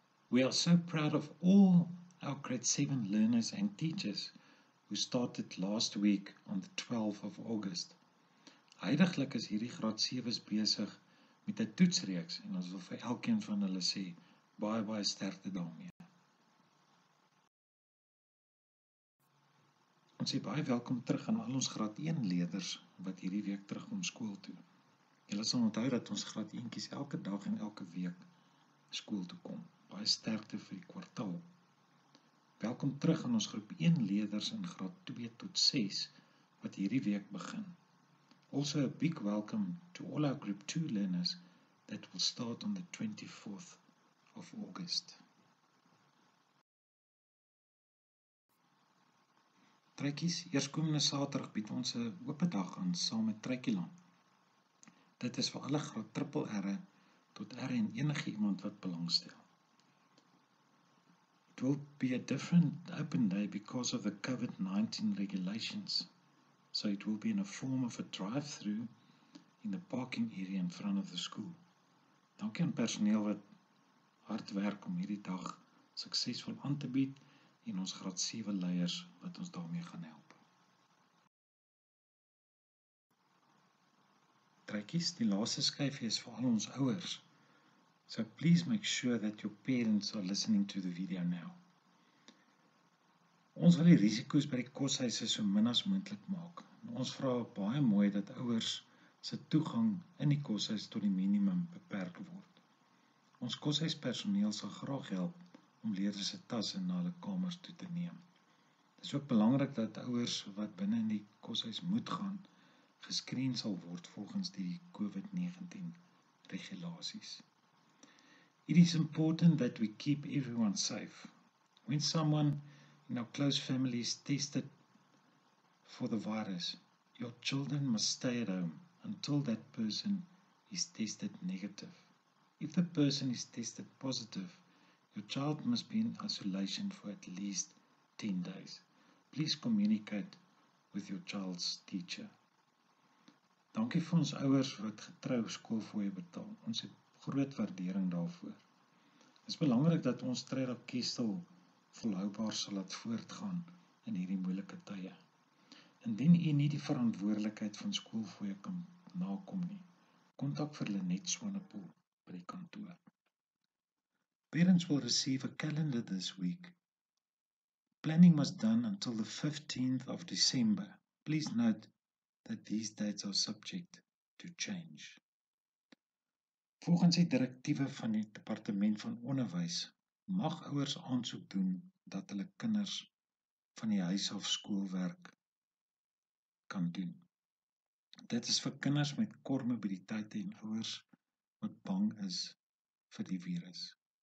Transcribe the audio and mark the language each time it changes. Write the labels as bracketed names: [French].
[English] We are so proud of all our grade 7 learners and teachers who started last week on the 12th of August. [Afrikaans] Heidiglik is hierdie graad 7's besig met 'n toetsreeks en ons wil vir elkeen van hulle sê, baie sterkte daarmee. Ons sê baie welkom terug aan al ons graad 1 leerders wat hierdie week terugkom skool toe. Julle sal onthou dat ons graad 1'tjies elke dag en elke week skool toe kom. Baie sterkte vir die kwartaal. Welkom terug aan ons groep 1 leerders in graad 2 tot 6 wat hierdie week begin. [English] Also a big welcome to all our Group 2 learners that will start on the 24th of August. [Afrikaans] Truikies, eerskomende Saterdag bied ons 'n oop dag aan saam met Truikieland. Dit is vir alle graad triple R tot R en enige iemand wat belangstel. [English] It will be a different open day because of the COVID-19 regulations. So it will be in a form of a drive-through in the parking area in front of the school. [Afrikaans] Dankie aan personeel wat hard werk om hierdie dag suksesvol aan te bied en ons graad 7 leiers wat ons daarmee gaan help. Truikies, die laaste skyfie is vir al ons ouers. [English] So please make sure that your parents are listening to the video now. [Afrikaans] Ons wil die risiko's by die koshuise so min as moontlik maak. Ons vra baie mooi dat ouers se toegang in die koshuis tot die minimum beperk word. Ons koshuispersoneel sal graag help om leerders se tasse na hulle kamers toe te neem. Dit is ook belangrik dat ouers wat binne in die koshuis moet gaan, geskreen sal word volgens die COVID-19 regulasies. [English] It is important that we keep everyone safe. When someone in our close family is tested for the virus, your children must stay at home until that person is tested negative. If the person is tested positive, your child must be in isolation for at least 10 days. Please communicate with your child's teacher. [Afrikaans] Dankie vir ons ouers wat getrou skoolfooie betaal. Ons het groot waardering daarvoor. Dit is belangrik dat ons Tredop Kestell volhoubaar sal laat voortgaan in hierdie moeilike tye. Indien u nie die verantwoordelikheid van skoolfooie kan nakom nie, kontak vir Lenet Swanepoel by die kantoor. [English] Parents will receive a calendar this week. Planning was done until the 15th of December. Please note that these dates are subject to change. [Afrikaans] Volgens die direktiewe van die departement van onderwys mag ouers aansoek doen dat hulle kinders van die huis af skoolwerk kan doen. Dit is vir kinders met kort mobiliteite en ouers wat bang is vir die virus.